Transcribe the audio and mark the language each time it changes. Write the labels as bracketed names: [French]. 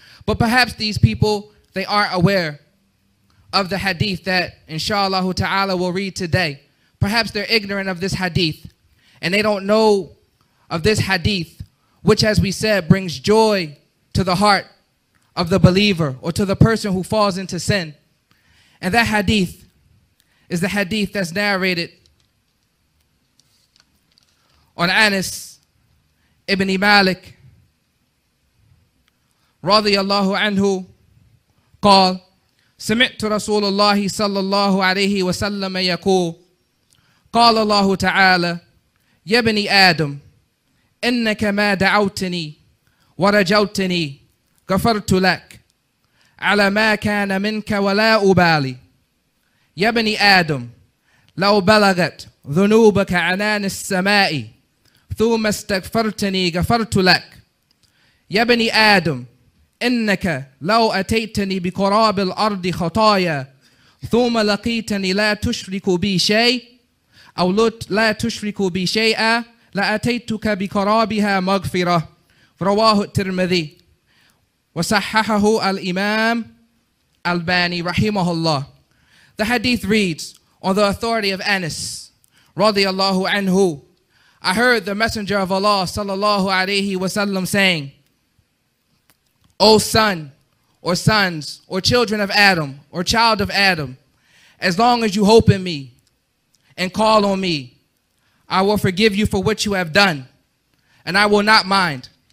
[English] But perhaps these people, they aren't aware of the hadith that inshallah ta'ala will read today. Perhaps they're ignorant of this hadith and they don't know of this hadith, which, as we said, brings joy to the heart of the believer or to the person who falls into sin. And that hadith is the hadith that's narrated on Anas ibn Malik [Arabic] radiyallahu anhu qal, سمعت رسول الله صلى الله عليه وسلم يقول قال الله تعالى يا بني آدم إنك ما دعوتني ورجوتني غفرت لك على ما كان منك ولا أبالي يا بني آدم لو بلغت ذنوبك عنان السماء ثم استغفرتني غفرت لك يا بني آدم إنك لو أتيتني بقراب الأرض خطايا ثم لقيتني لا تشرك بي شيء أو لا تشرك بي شيئا لأتيتك بقرابها مغفرة رواه الترمذي. وَصَحَّحَهُ الْإِمَامُ أَلْبَانِي رَحِيمَهُ اللَّهُ. [English] The hadith reads, on the authority of Anas, radiallahu anhu, I heard the Messenger of Allah, sallallahu alayhi wasallam, saying, O son, or sons, or children of Adam, or child of Adam, as long as you hope in me and call on me, I will forgive you for what you have done, and I will not mind.